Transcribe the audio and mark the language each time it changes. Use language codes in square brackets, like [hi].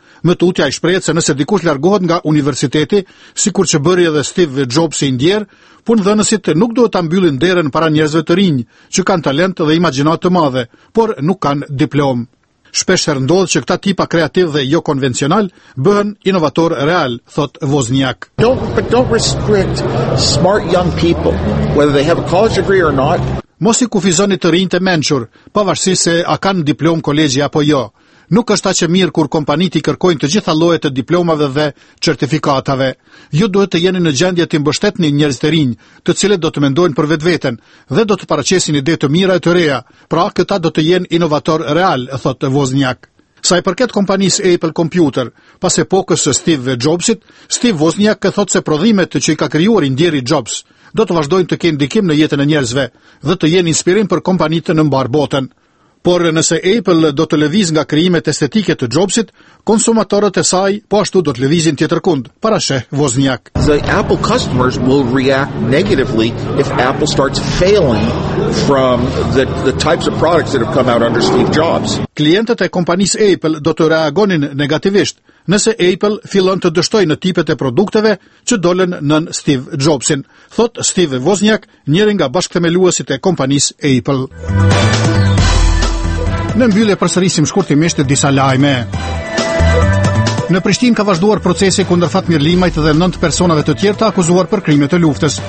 [sq] Më tutja i shprehet se nëse dikush largohet nga universiteti, sikur që bëri edhe Steve Jobs i ndjer, punëdhënësit nuk duhet ta mbyllin derën para njerëzve të rinj që kanë talent dhe imagjinatë të madhe, por nuk kanë diplomë. Shpeshherë ndodh që këta tipa kreativ dhe jo konvencional bëhen inovator real, thot Wozniak. [en] Don't restrict smart young people, whether they have a college degree or not. [sq] Mos i kufizoni të rinjtë mençur, pavarësisht se a kanë diplomë kolegji apo jo. Nuk është aq e mirë kur kompanitë kërkojnë të gjitha llojet të diplomave dhe certifikatave. Ju duhet të jeni në gjendje të mbështetni njerëz të rinj, të cilët do të mendojnë për vetveten dhe do të paraqesin ide të mira e të reja. Pra, këta do të jenë inovator real, thot Wozniak. Sa i përket kompanisë Apple Computer, pas epokës së Steve Jobsit, Steve Wozniak ka thotë se prodhimet që i ka krijuar Indiri Jobs do të vazhdojnë të kenë ndikim në jetën e njerëzve dhe të jenë inspirim për kompanitë në mbar botën. Por nëse Apple do të lëviz nga krijimet estetike të Jobsit, konsumatorët e saj po ashtu do të lëvizin tjetër kund, parashe Wozniak. [en] The Apple customers will react negatively if Apple starts failing from the types of products that have come out under Steve Jobs. [sq] Klientët e kompanisë Apple do të reagonin negativisht nëse Apple fillon të dështojë në tipet e produkteve që dolën nën Steve Jobsin, thot Steve Wozniak, njëri nga bashkëthemeluesit e kompanisë Apple. Në mbyllje përsërisim shkurtimisht disa lajme. Në Prishtinë ka vazhduar procesi kundër Fatmir Limajt dhe 9 personave të tjerë të akuzuar për krime të luftës.